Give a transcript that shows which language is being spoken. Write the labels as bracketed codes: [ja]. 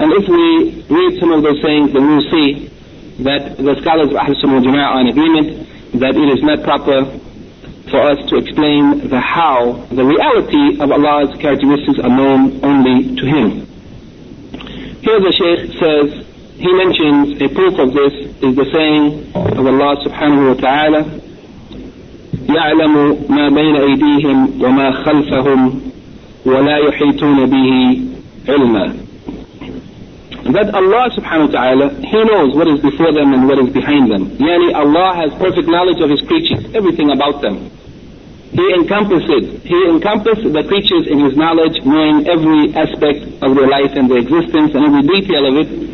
[en] And if we read some of those sayings, then we'll see that the scholars of Ahlus Sunnah wal-Jama'ah are in agreement that it is not proper for us to explain the how, the reality of Allah's characteristics are known only to Him. Here the Shaykh says, he mentions a proof of this is the saying of Allah subhanahu wa ta'ala, [ar] يعلم ما بين أيديهم وما خلفهم ولا يحيطون به علما. [en] That Allah subhanahu wa ta'ala, He knows what is before them and what is behind them. Yani Allah has perfect knowledge of His creatures, everything about them. He encompassed the creatures in His knowledge, knowing every aspect of their life and their existence and every detail of it.